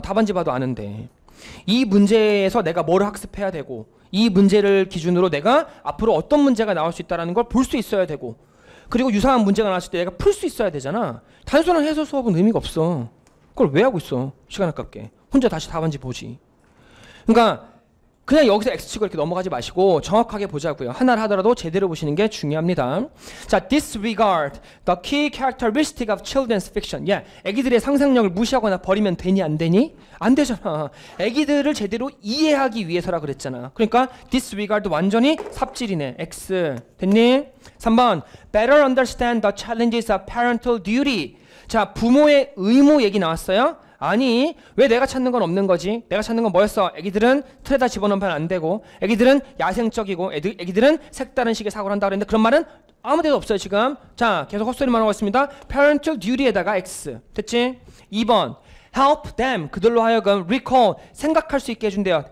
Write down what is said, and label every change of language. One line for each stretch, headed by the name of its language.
Korean: 답안지 봐도 아는데. 이 문제에서 내가 뭘 학습해야 되고 이 문제를 기준으로 내가 앞으로 어떤 문제가 나올 수 있다는 걸 볼 수 있어야 되고 그리고 유사한 문제가 나왔을 때 내가 풀 수 있어야 되잖아. 단순한 해설 수업은 의미가 없어. 그걸 왜 하고 있어. 시간 아깝게. 혼자 다시 답안지 보지. 그러니까 그냥 여기서 X치고 이렇게 넘어가지 마시고 정확하게 보자고요. 하나를 하더라도 제대로 보시는 게 중요합니다.
English: 자, disregard the key characteristic of children's fiction.
Korean: 예, 애기들의 상상력을 무시하거나 버리면 되니 안 되니? 안 되잖아. 애기들을 제대로 이해하기 위해서라 그랬잖아. 그러니까 disregard 완전히 삽질이네. X 됐니?
English: 3번 better understand the challenges of parental duty.
Korean: 자, 부모의 의무 얘기 나왔어요? 아니 왜 내가 찾는 건 없는 거지? 내가 찾는 건 뭐였어? 애기들은 틀에다 집어넣으면 안 되고 애기들은 야생적이고 애기들은 색다른 식의 사고를 한다고 했는데 그런 말은 아무 데도 없어요 지금. 자 계속 헛소리만 하고 있습니다. Parental duty에다가 X 됐지? 2번
English: Help them
Korean: 그들로 하여금 recall 생각할 수 있게 해준대요.